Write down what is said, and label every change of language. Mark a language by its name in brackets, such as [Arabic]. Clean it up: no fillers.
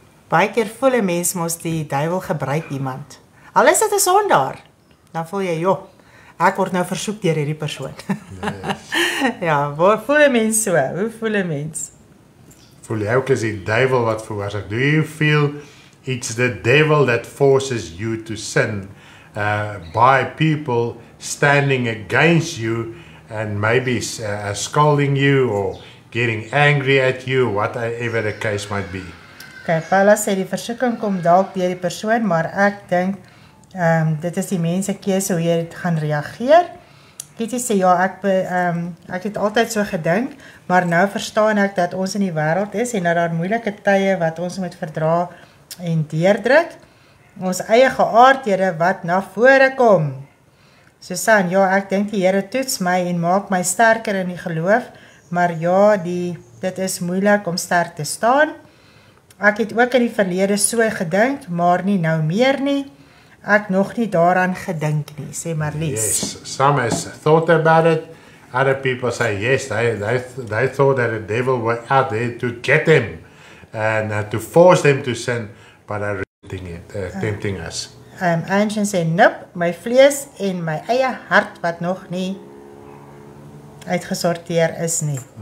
[Afrikaans] Baie keer voel 'n mens mos die duiwel gebruik iemand. Al is dit 'n sondaar, dan voel jy jop. Ek word nou versoek deur hierdie persoon. [English] Yes. [Afrikaans] Ja, hoe voel 'n mens so? Hoe voel 'n mens? Voel jy ook as die duivel wat veroorsaak? [English] Do you feel it's the devil that forces you to sin by people standing against you and maybe scolding you or getting angry at you, whatever the case might be? [Afrikaans] Okay, Paula sê die versoeking kom dalk deur die persoon, maar ek dink dit is die mense keuse hoe jy dit gaan reageer. Kitty sê, ja, ek het altyd so gedink, maar nou verstaan ek dat ons in die wêreld is en dat daar moeilike tye wat ons moet verdra en deurdruk. Ons eie geaardhede wat na vore kom. Susan, ja, ek dink die Here toets my en maak my sterker in die geloof, maar ja, dit is moeilik om sterk te staan. Ek het ook in die verlede so gedink, maar nie nou meer nie. Ek nog nie daaraan gedink nie, sê Marlies. [English] Yes, some has thought about it. Other people say, yes, they thought that the devil was out there to get them and to force them to sin, but are tempting us. [Afrikaans] Aand sê, nope, my vlees en my eie hart wat nog nie uitgesorteer is nie.